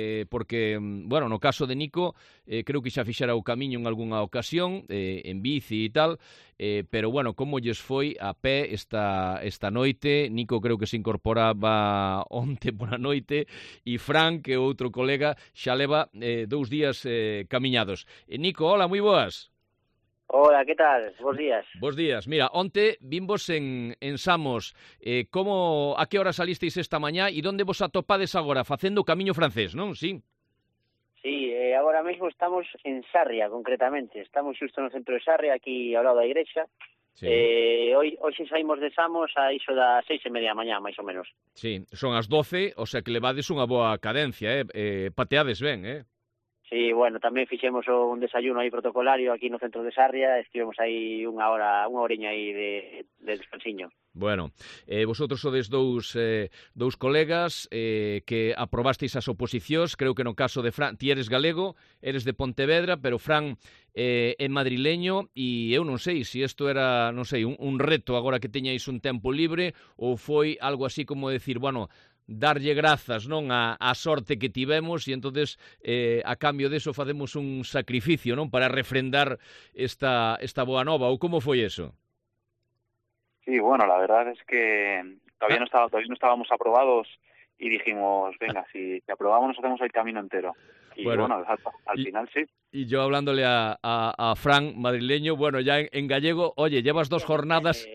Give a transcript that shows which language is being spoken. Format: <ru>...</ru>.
<gl>Porque, bueno, no caso de Nico, creo que xa fixera o camiño en algunha ocasión, en bici e tal, pero, bueno, como lles foi a pé esta noite. Nico creo que se incorporaba onte pola noite, e Fran, que é outro colega, xa leva dous días camiñados. Nico, hola, moi boas. Hola, que tal? Bos días. Bos días. Mira, onte vimos en Samos. A que hora salisteis esta mañá e onde vos atopades agora? Facendo o camiño francés, non? Sí. Sí, agora mesmo estamos en Sarria, concretamente. Estamos xusto no centro de Sarria, aquí ao lado da igrexa. Sí. Hoxe saímos de Samos a iso das 6:30 da mañá, máis ou menos. Sí, son as 12, o sea que levades unha boa cadencia, pateades ben, Sí, bueno, tamén fixemos un desayuno aí protocolario aquí no centro de Sarria, estivemos aí unha horiña aí de descansiño. Bueno, vosotros sodes dous colegas que aprobasteis as oposicións, creo que no caso de Fran, ti eres galego, eres de Pontevedra, pero Fran é madrileño, e eu non sei se isto era, non sei, un reto agora que teñáis un tempo libre, ou foi algo así como decir, bueno, darlle grazas, non, a sorte que tivemos, e entonces a cambio de eso facemos un sacrificio, non, para refrendar esta boa nova, ou como foi eso?</gl> <es>Sí, bueno, la verdad es que todavía no estábamos aprobados y dijimos, venga, si aprobamos nos hacemos el camino entero. Y bueno, al final sí. Y yo hablándole a Fran, madrileño, bueno, ya en gallego, oye, llevas dos jornadas...</es>